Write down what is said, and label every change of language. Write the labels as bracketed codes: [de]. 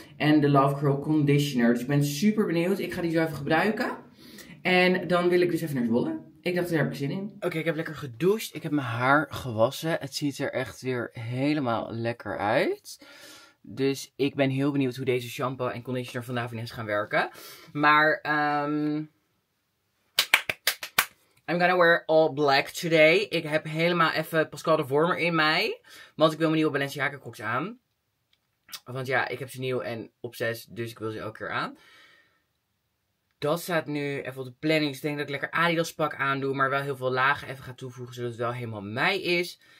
[nl] En de Love Curl Conditioner. Dus ik ben super benieuwd. Ik ga die zo even gebruiken. En dan wil ik dus even naar Zwolle. Ik dacht, daar heb ik zin in. Oké, ik heb lekker gedoucht. Ik heb mijn haar gewassen. Het ziet er echt weer helemaal lekker uit. Dus ik ben heel benieuwd hoe deze shampoo en conditioner van Davines gaan werken. [en] Maar, I'm gonna wear all black today. [nl] Ik heb helemaal even Pascal de Vormer in mij. Want ik wil mijn nieuwe Balenciaga crocs aan. Want ja, ik heb ze nieuw en op 6, dus ik wil ze elke keer aan. Dat staat nu even op de planning. Dus ik denk dat ik lekker Adidas pak aandoe. Maar wel heel veel lagen even ga toevoegen, zodat het wel helemaal mij is.